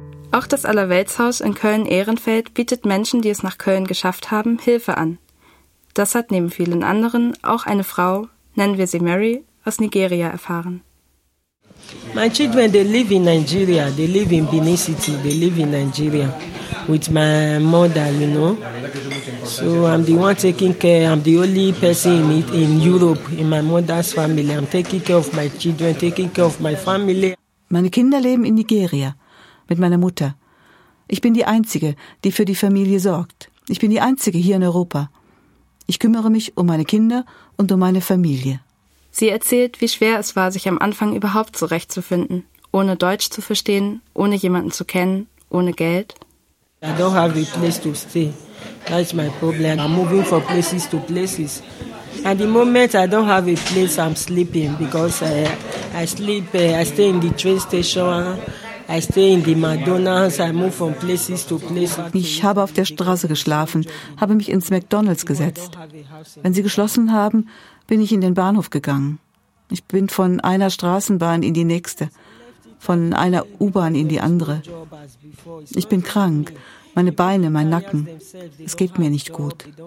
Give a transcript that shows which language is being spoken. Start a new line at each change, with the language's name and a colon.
German: Auch das Allerweltshaus in Köln-Ehrenfeld bietet Menschen, die es nach Köln geschafft haben, Hilfe an. Das hat neben vielen anderen auch eine Frau, nennen wir sie Mary, aus Nigeria erfahren.
English: My children, they live in Nigeria. They live in Benin City. They live in Nigeria with my mother, you know. So I'm the one taking care. I'm the only person in Europe, in my mother's family. I'm taking care of my children, taking care of my family.
German: Meine Kinder leben in Nigeria mit meiner Mutter. Ich bin die Einzige, die für die Familie sorgt. Ich bin die Einzige hier in Europa. Ich kümmere mich um meine Kinder und um meine Familie. Sie erzählt, wie schwer es war, sich am Anfang überhaupt zurechtzufinden, ohne Deutsch zu verstehen, ohne jemanden zu kennen, ohne Geld.
English: I don't have a place to stay. That's my problem. I'm moving from places to places. At the moment, I don't have a place. I'm sleeping because I stay in the train station. I stay in the McDonald's, I move from places to places.
German: Ich habe auf der Straße geschlafen, habe mich ins McDonald's gesetzt. Wenn sie geschlossen haben, bin ich in den Bahnhof gegangen. Ich bin von einer Straßenbahn in die nächste, von einer U-Bahn in die andere. Ich bin krank, meine Beine, mein Nacken, es geht mir nicht gut.